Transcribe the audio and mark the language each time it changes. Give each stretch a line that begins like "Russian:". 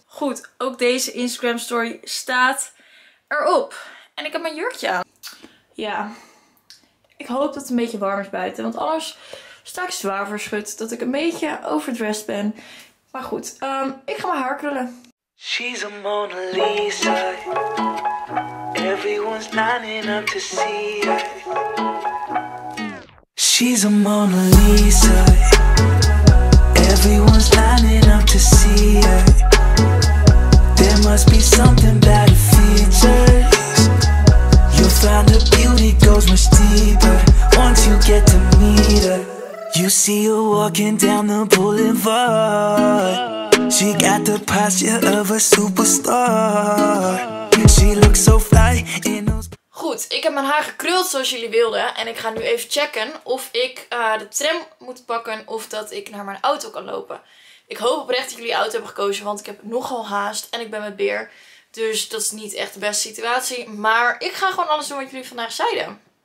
Dutch: Goed, ook deze Instagram story staat erop. En ik heb mijn jurkje aan. Ja, ik hoop dat het een beetje warm is buiten. Want anders sta ik zwaar verschut dat ik een beetje overdressed ben. Maar goed, ik ga mijn haar krullen.
English: She's a Mona Lisa. Everyone's lining up to see her. She's a Mona Lisa. Everyone's lining up to see her. There must be something about her features. You'll find her beauty goes much deeper once you get to meet her. You see her walking down the boulevard. She got the posture of a superstar. She looks so fly in those.
Dutch: Goed, ik heb mijn haar gekruld zoals jullie wilden. En ik ga nu even checken of ik de tram moet pakken of dat ik naar mijn auto kan lopen. Ik hoop oprecht dat jullie auto hebben gekozen, want ik heb nogal haast en ik ben met Beer. Dus dat is niet echt de beste situatie. Maar ik ga gewoon alles doen wat jullie vandaag zeiden.